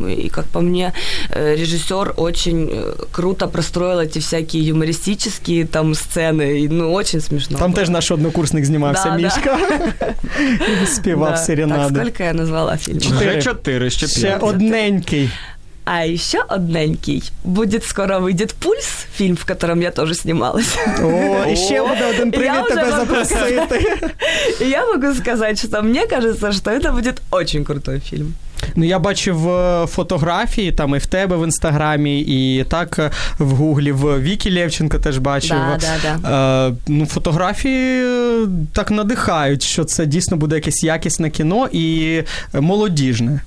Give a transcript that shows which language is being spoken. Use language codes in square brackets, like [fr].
[uk] І, як по мені, режисер очень круто простроїв ці всякі юмористичні там сцени. І, ну, очень смішно. Там теж наш однокурсник знімався, [ru] да, [uk] Мішка. [ru] Да. [uk] Співав, [ru] да, [uk] серенади. Так, скільки я назвала фільм? Чотири, ще п'ять. Ще одненький. [ru] А еще одненький. Будет скоро выйдет «Пульс», фильм, в котором я тоже снималась. О, еще буду один привет тебе запросить. Я могу сказать, что мне кажется, что это будет очень крутой фильм. [uk] Ну, я бачив фотографії, там і в тебе в Інстаграмі, і так в Гуглі, в Вікі Левченко теж бачив. [ru] Да, да, да. [uk] Ну, фотографії так надихають, що це дійсно буде якесь якісне кіно і молодіжне.